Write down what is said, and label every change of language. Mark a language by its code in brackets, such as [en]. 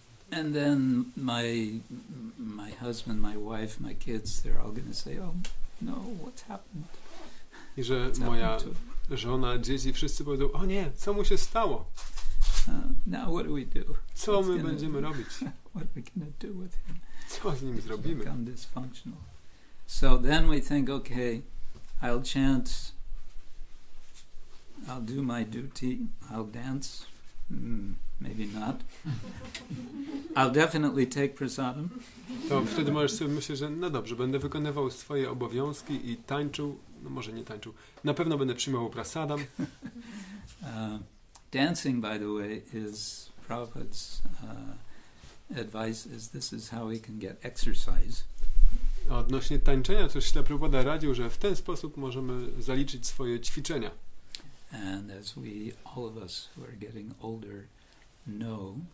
[en] And then my husband, my wife, my kids, they're all gonna say, oh no, what's happened? [pl] I że moja żona, dzieci, wszyscy powiedzą, o nie, co mu się stało? [en] Now what do we do? [pl] Co my będziemy robić? [en] What are we gonna do with him? [pl] Co z nim zrobimy? [en] Become dysfunctional. So then we think, okay, I'll chant, I'll do my duty, I'll dance. Maybe not. I'll definitely take prasadam. [pl] To wtedy możesz sobie myśleć, że no dobrze, będę wykonywał swoje obowiązki i tańczył, no może nie tańczył, na pewno będę przyjmował prasadam. [en] Dancing, by the way, is Prabhupada's advice, is this is how he can get exercise. [pl] A odnośnie tańczenia, to Śla Prabhupada radził, że w ten sposób możemy zaliczyć swoje ćwiczenia. [en] And as we, all of us who are getting older, know,